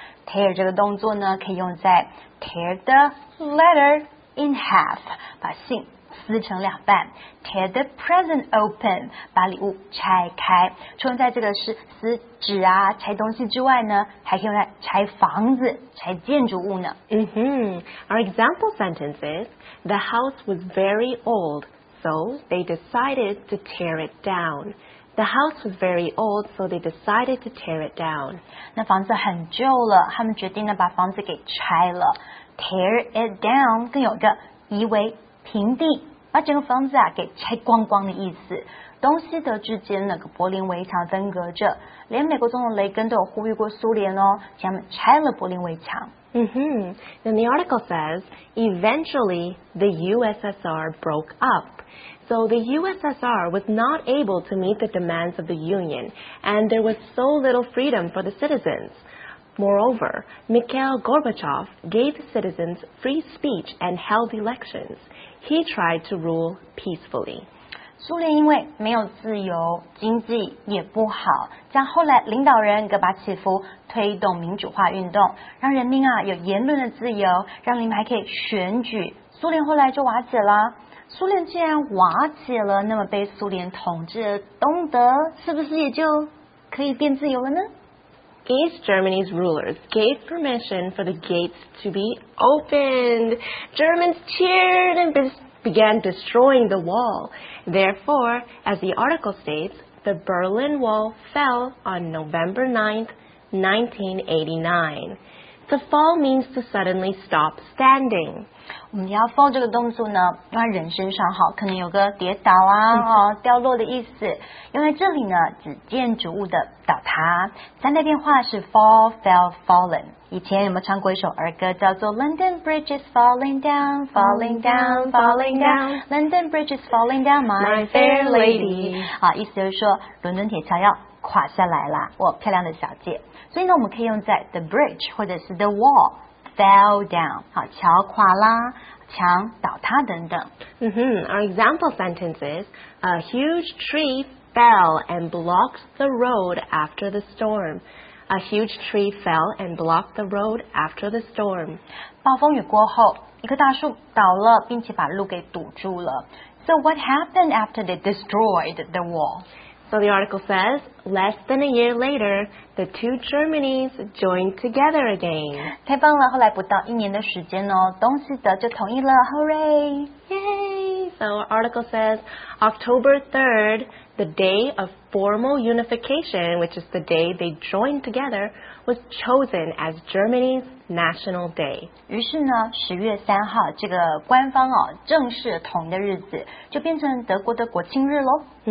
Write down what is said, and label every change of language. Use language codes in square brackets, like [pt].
[zh] Tear 这个动作呢，可以用在 [en] tear the letter in half， [zh] 把信撕成两半； [en] tear the present open， [zh] 把礼物拆开。除了在这个是撕纸啊、拆东西之外呢，还可以用在拆房子、拆建筑物呢。 [en] 嗯哼 ，Our example sentence is the house was very old， so they decided to tear it down。 The house was very old, so they decided to tear it down. [zh] 那房子很旧了，他们决定呢把房子给拆了。 [en] Tear it down [zh] 更有个夷为平地，把整个房子啊给拆光光的意思。东西德之间那个柏林围墙分隔着，连美国总统雷根都有呼吁过苏联哦，请他们拆了柏林围墙。 [en] Then the article says, eventually the USSR broke up. So the USSR was not able to meet the demands of the Union, and there was so little freedom for the citizens. Moreover, Mikhail Gorbachev gave the citizens free speech and held elections. He tried to rule peacefully. [zh] 苏联因为没有自由，经济也不好，将后来领导人戈巴契夫推动民主化运动，让人民啊有言论的自由，让人民还可以选举。苏联后来就瓦解了。苏联既然瓦解了，那么被苏联统治的东德是不是也就可以变自由了呢？ [en] East Germany's rulers gave permission for the gates to be opened. Germans cheered and began destroying the wall. Therefore, as the article states, the Berlin Wall fell on November 9th, 1989. The fall means to suddenly stop standing. [zh] 我们要 fall 这个动作呢，让人身上好，可能有个跌倒啊、掉落的意思。因为这里呢，指建筑物的倒塌。三代变化是 [en] fall, fell, fallen。 [zh] 以前有没有唱过一首儿歌，叫做 [en] London Bridge is falling down, falling down, falling down, London Bridge is falling down, my fair lady。 [zh] 好，意思就是说伦敦铁桥要垮下来了，我漂亮的小姐。所以呢，我们可以用在 the bridge 或者是 the wall。 [en] Fell down. [zh] 好，桥垮啦，墙倒塌等等。 [en] Our example sentence is, a huge tree fell and blocked the road after the storm. A huge tree fell and blocked the road after the storm. [zh] 暴风雨过后，一棵大树倒了，并且把路给堵住了。 [en] So what happened after they destroyed the wall? So the article says, less than a year later, the two Germanies joined together again. [zh] 太棒了，后来不到一年的时间哦，东西德就同意了， hooray! [en] Yay! So our article says, October 3rd, the day of formal unification, which is the day they joined together, was chosen as Germany's National Day. [zh] 于是呢，十月三号这个官方哦正式统一的日子就变成德国的国庆日咯。